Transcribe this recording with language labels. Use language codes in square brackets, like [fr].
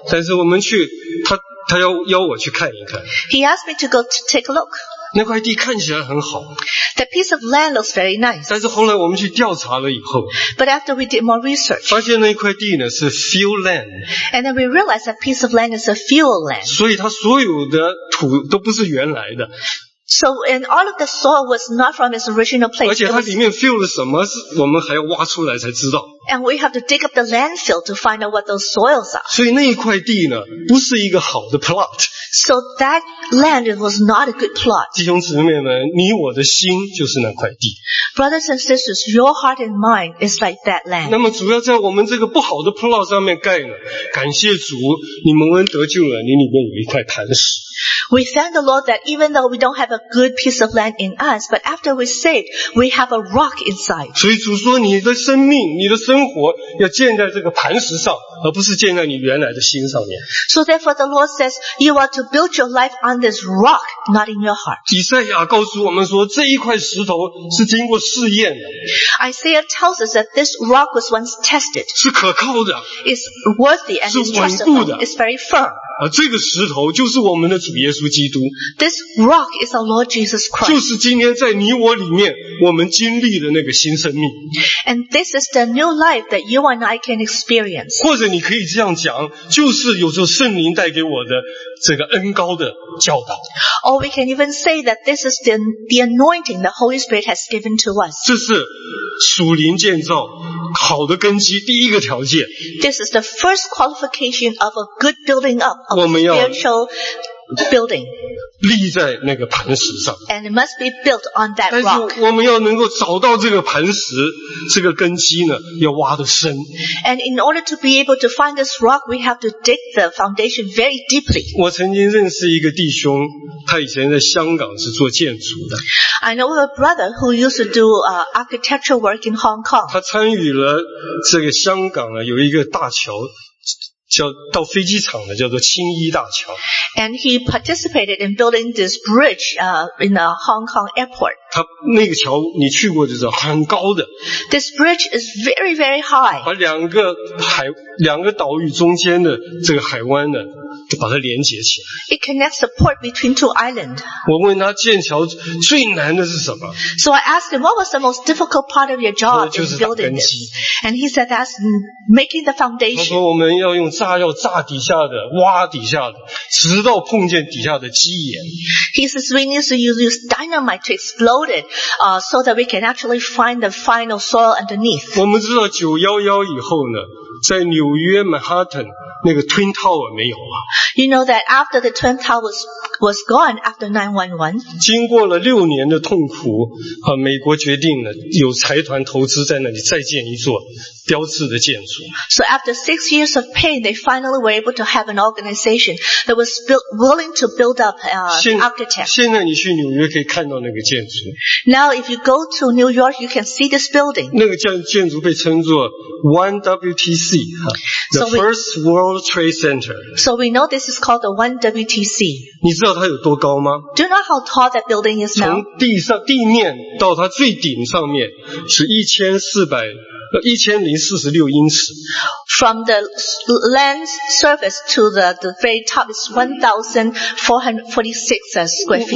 [zh] 但是我们去，他邀我去看一看。 [en] He asked me to go to take a look. [zh] 那块地看起来很好。 [en] The piece of land looks very nice. [zh] 但是后来我们去调查了以后， [en] But after we did more research, [zh] 发现那一块地呢是 field land. [en] And then we realized that piece of land is a field land. [zh] 所以它所有的土都不是原来的。 [en] So, and all of the soil was not from its original place. [zh] 而且它里面 fill 了什么，是我们还要挖出来才知道。 [en] And we have to dig up the landfill to find out what those soils are. [zh] 所以那一块地呢，不是一个好的 plot. [en] So that land was not a good plot. [zh] 弟兄姊妹们，你我的心就是那块地。 [en] Brothers and sisters, your heart and mind is like that land. [zh] 那么主要在我们这个不好的 plot 上面盖呢，感谢主，你蒙恩得救了，你里面有一块磐石。 [en] We thank the Lord that even though we don't have a good piece of land in us, but after we're saved, we have a rock inside. [zh] 所以主说你的生命，你的生活要建在这个磐石上，而不是建在你原来的心上面。 [en] So therefore the Lord says, you are to build your life on this rock, not in your heart. [zh] 以赛亚告诉我们说，这一块石头是经过试验的。 [en] Isaiah tells us that this rock was once tested. [zh] 是可靠的。 [en] It's worthy and it's trustable. It's very firm. [zh] 这个石头就是我们的主耶稣基督。 [en] This rock is our Lord Jesus Christ. [zh] 就是今天在你我里面我们经历的那个新生命。 [en] And this is the new life that you and I can experience. [zh] 或者你可以这样讲，就是有时候圣灵带给我的这个恩膏的教导。 [en] Or we can even say that this is the anointing the Holy Spirit has given to us. [zh] 这是属灵建造好的根基第一个条件。 [en] This is the first qualification of a good building up, of a spiritual building. [zh] 立在那个磐石上。 [en] And it must be built on that rock. [zh] 但是我们要能够找到这个磐石，这个根基呢，要挖得深。 [en] And in order to be able to find this rock, we have to dig the foundation very deeply. [zh] 我曾经认识一个弟兄，他以前在香港是做建筑的。 [en] I know a brother who used to do architectural work in Hong Kong. [zh] 他参与了这个香港啊，有一个大桥叫到飞机场的，叫做青衣大桥。 [en] And he participated in building this bridge in the Hong Kong airport. [zh] 他那个桥你去过就知道，很高的。 [en] This bridge is very very high. [zh] 把两个岛屿中间的这个海湾呢，就把它连接起来。 [en] It connects the port between two islands. [zh] 我问他建桥最难的是什么？ [en] So I asked him, what was the most difficult part of your job in building this? And he said that's making the foundation. [zh] 他说我们要用炸药炸底下的，挖底下的，直到碰见底下的基岩。 [en] He says we need to use dynamite to explode it, so that we can actually find the final soil underneath. [zh] 我们知道911以后呢，在纽约曼哈顿那个 Twin Tower 没有了。 [en] You know that after the Twin Tower was gone after 911, [zh] 经过了六年的痛苦，美国决定了有财团投资在那里再建一座标志的建筑。 [en] So after 6 years of pain, they finally were able to have an organization that was willing to build up an architect. [zh] 现在你去纽约可以看到那个建筑。 [en] Now if you go to New York, you can see this building. [zh] 那个建筑被称作 1WTC, the First World Trade Center. [en] So we know this is called the 1WTC. [zh] 你知道它有多高吗？ [en] Do you know how tall that building is now? [zh] 从地面到它最顶上面是1046英尺。 [en] From the land surface to the very top is 1,446 square feet.